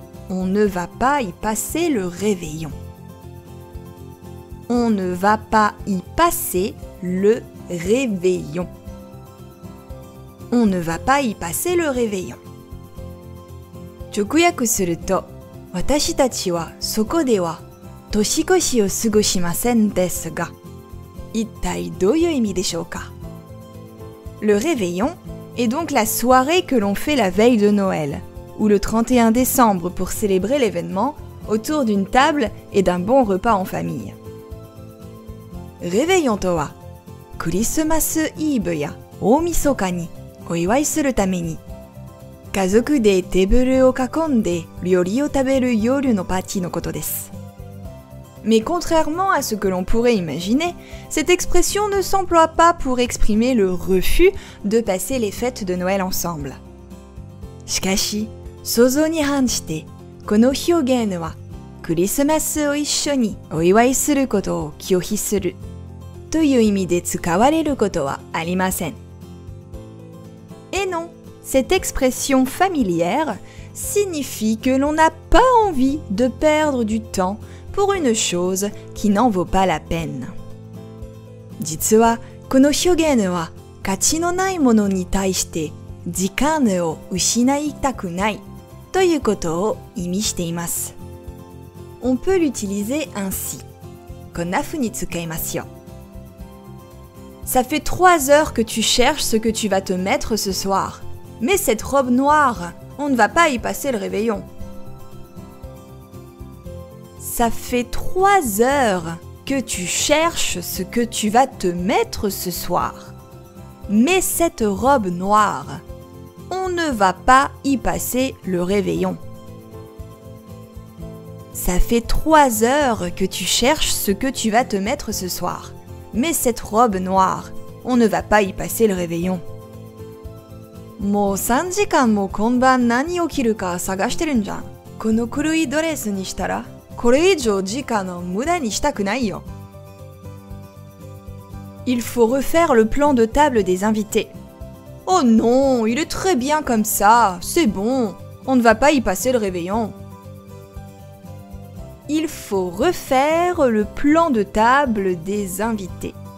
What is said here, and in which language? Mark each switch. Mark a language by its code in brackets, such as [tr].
[fr] On ne va pas y passer le réveillon. On ne va pas y passer le réveillon. On ne va pas y passer le réveillon. [ja] 直訳すると、私たちはそこでは年越しを過ごしませんですが、一体どういう意味でしょうか？ [fr] Le réveillon est donc la soirée que l'on fait la veille de Noël, ou le 31 décembre pour célébrer l'événement autour d'une table et d'un bon repas en famille. [ja] Réveillon とは、クリスマスイーブや大晦日にお祝いするために、家族でテーブルを囲んで料理を食べる夜のパーティーのことです。 [fr] Mais contrairement à ce que l'on pourrait imaginer, cette expression ne s'emploie pas pour exprimer le refus de passer les fêtes de Noël ensemble. [ja] しかし、想像に反して、この表現は、クリスマスを一緒にお祝いすることを拒否するという意味で使われることはありません。 [fr] Et non, cette expression familière signifie que l'on n'a pas envie de perdre du temps pour une chose qui n'en vaut pas la peine. [ja] 実は、この表現は価値のないものに対して時間を失いたくないということを意味しています。 [fr] On peut l'utiliser ainsi. [ja] こんなふうに使いますよ。 [fr] Ça fait 3 heures que tu cherches ce que tu vas te mettre ce soir. Mais cette robe noire, on ne va pas y passer le réveillon. Ça fait 3 heures que tu cherches ce que tu vas te mettre ce soir. Mais cette robe noire, on ne va pas y passer le réveillon. Ça fait 3 heures que tu cherches ce que tu vas te mettre ce soir. Mais cette robe noire, on ne va pas y passer le réveillon. [ja] もう3時間も今晩何を着るか探してるんじゃん。この黒いドレスにしたら。これ以上時間を無駄にしたくないよ。 [fr] Il faut refaire le plan de table des invités. Oh non, il est très bien comme ça, c'est bon, on ne va pas y passer le réveillon. Il faut refaire le plan de table des invités.